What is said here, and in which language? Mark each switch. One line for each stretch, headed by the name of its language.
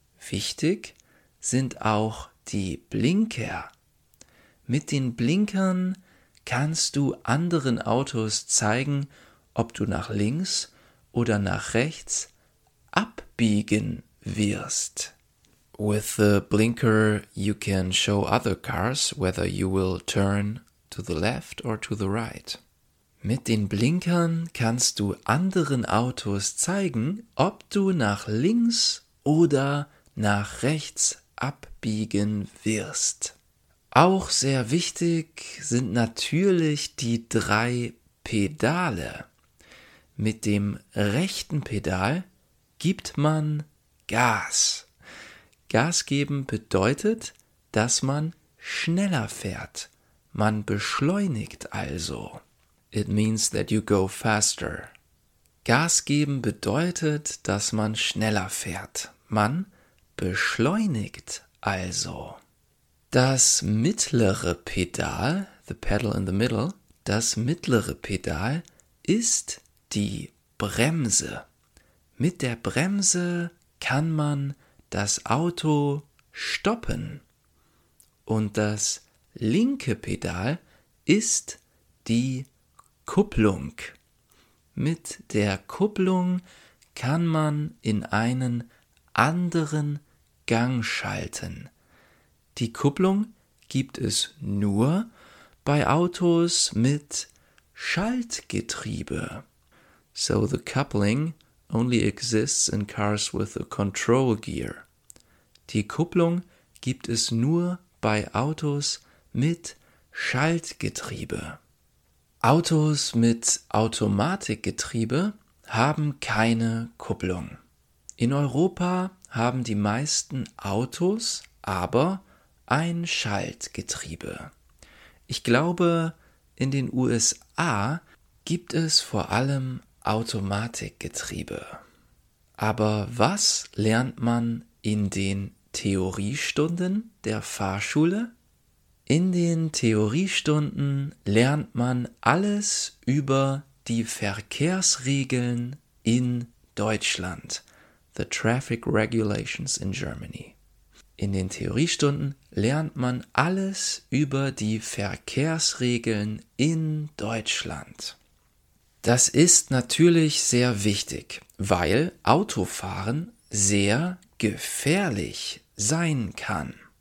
German: Wichtig sind auch die Blinker. Mit den Blinkern kannst du anderen Autos zeigen, ob du nach links oder nach rechts abbiegen wirst.
English: With the blinker, you can show other cars whether you will turn to the left or to the right.
German: Mit den Blinkern kannst du anderen Autos zeigen, ob du nach links oder nach rechts abbiegen wirst. Auch sehr wichtig sind natürlich die drei Pedale. Mit dem rechten Pedal gibt man Gas. Gas geben bedeutet, dass man schneller fährt. Man beschleunigt also.
English: It means that you go faster.
German: Gas geben bedeutet, dass man schneller fährt. Man beschleunigt also. Das mittlere Pedal,
English: the pedal in the middle,
German: das mittlere Pedal ist die Bremse. Mit der Bremse kann man das Auto stoppen. Und das linke Pedal ist die Kupplung. Mit der Kupplung kann man in einen anderen Gang schalten. Die Kupplung gibt es nur bei Autos mit Schaltgetriebe.
English: So the coupling only exists in cars with a control gear.
German: Die Kupplung gibt es nur bei Autos mit Schaltgetriebe. Autos mit Automatikgetriebe haben keine Kupplung. In Europa haben die meisten Autos aber ein Schaltgetriebe. Ich glaube, in den USA gibt es vor allem Automatikgetriebe. Aber was lernt man in den Theoriestunden der Fahrschule? In den Theoriestunden lernt man alles über die Verkehrsregeln in Deutschland.
English: The traffic regulations in Germany.
German: In den Theoriestunden lernt man alles über die Verkehrsregeln in Deutschland. Das ist natürlich sehr wichtig, weil Autofahren sehr gefährlich sein kann.